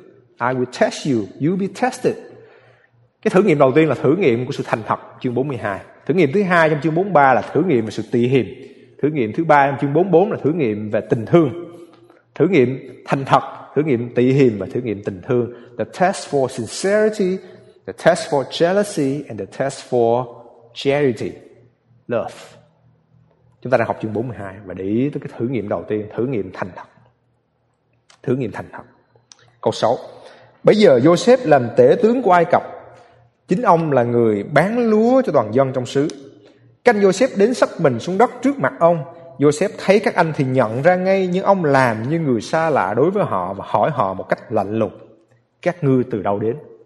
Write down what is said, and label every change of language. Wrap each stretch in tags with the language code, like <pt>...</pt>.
<en>I will test you, you be tested.</en> <vi>Cái thử nghiệm đầu tiên là thử nghiệm của sự thành thật, chương 42. Thử nghiệm thứ hai trong chương 43 là thử nghiệm về sự tị hiềm. Thử nghiệm thứ ba trong chương 44 là thử nghiệm về tình thương. Thử nghiệm thành thật, thử nghiệm tị hiềm và thử nghiệm tình thương.</vi> <en>The test for sincerity, the test for jealousy, and the test for charity, love.</en> <vi>Chúng ta đang học chương 42 và để ý tới cái thử nghiệm đầu tiên, thử nghiệm thành thật. Thử nghiệm thành thật. Câu 6: bây giờ Joseph làm tể tướng của Ai Cập, chính ông là người bán lúa cho toàn dân trong xứ. Canh Joseph đến sắp mình xuống đất trước mặt ông. Joseph thấy các anh thì nhận ra ngay, nhưng ông làm như người xa lạ đối với họ và hỏi họ một cách lạnh lùng. các ngươi từ đâu đến?</vi>